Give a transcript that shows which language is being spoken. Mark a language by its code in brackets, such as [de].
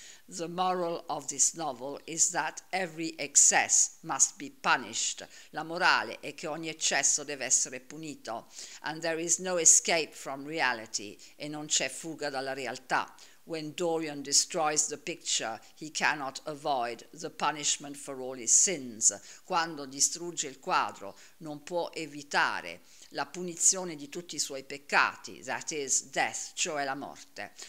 [en] The moral of this novel is that every excess must be punished. [it] La morale è che ogni eccesso deve essere punito. [en] And there is no escape from reality. [it] E non c'è fuga dalla realtà. [en] When Dorian destroys the picture, he cannot avoid the punishment for all his sins. [it] Quando distrugge il quadro, non può evitare la punizione di tutti i suoi peccati, [en] that is death, [it] cioè la morte.